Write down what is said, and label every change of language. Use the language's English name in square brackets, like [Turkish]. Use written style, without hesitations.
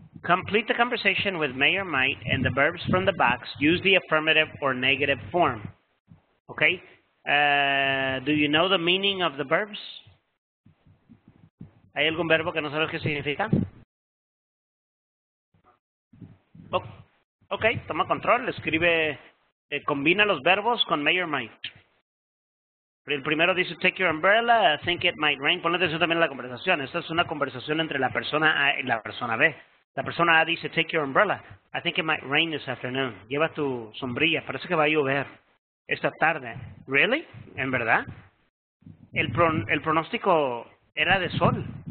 [English] Complete the conversation with may or might and the verbs from the box. Use the affirmative or negative form. Okay. Do you know the meaning of the verbs? [Spanish] ¿Hay algún verbo que no sabes qué significa? Oh, okay, toma control, escribe, combina los verbos con may or might. El primero dice, [English] take your umbrella, I think it might rain. [Spanish] Pon atención también a la conversación. Esta es una conversación entre la persona A y la persona B. La persona A dice, [English] take your umbrella, I think it might rain this afternoon. [Spanish] Lleva tu sombrilla, parece que va a llover esta tarde. [English] Really? [Spanish] ¿En verdad? El pronóstico era de sol.